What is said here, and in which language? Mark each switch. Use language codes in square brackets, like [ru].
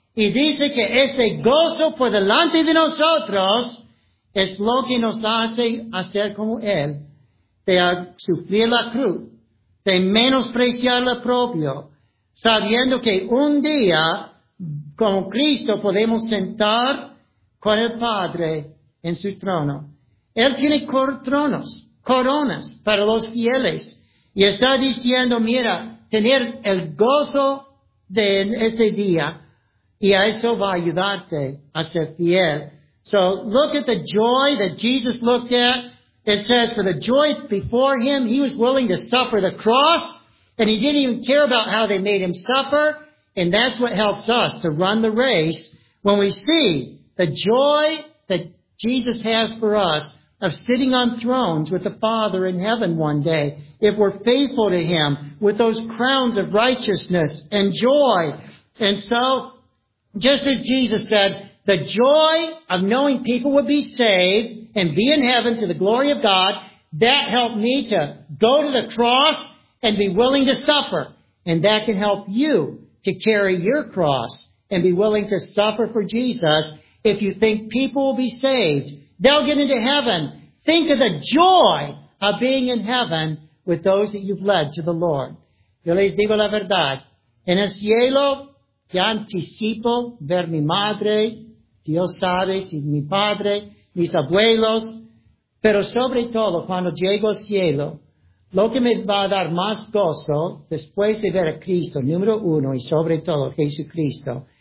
[es] Y dice que ese gozo por delante de nosotros es lo que nos hace hacer como Él, de sufrir la cruz, de menospreciar lo propio, sabiendo que un día, como Cristo, podemos sentar con el Padre en su trono. Él tiene tronos, coronas para los fieles. Y está diciendo, mira, tener el gozo de ese día, y a eso va a ayudarte a ser fiel. [en] So, look at the joy that Jesus looked at. It says, for the joy before Him, He was willing to suffer the cross, and He didn't even care about how they made Him suffer, and that's what helps us to run the race when we see the joy that Jesus has for us of sitting on thrones with the Father in heaven one day, if we're faithful to Him with those crowns of righteousness and joy. And so, just as Jesus said, the joy of knowing people would be saved and be in heaven to the glory of God, that helped me to go to the cross and be willing to suffer. And that can help you to carry your cross and be willing to suffer for Jesus if you think people will be saved. They'll get into heaven. Think of the joy of being in heaven with those that you've led to the Lord. [es] Yo les digo la verdad. En el cielo, que anticipo ver mi madre, Dios sabe si mi padre, mis abuelos, pero sobre todo cuando llego al cielo, lo que me va a dar más gozo después de ver a Cristo, número uno, y sobre todo Jesucristo.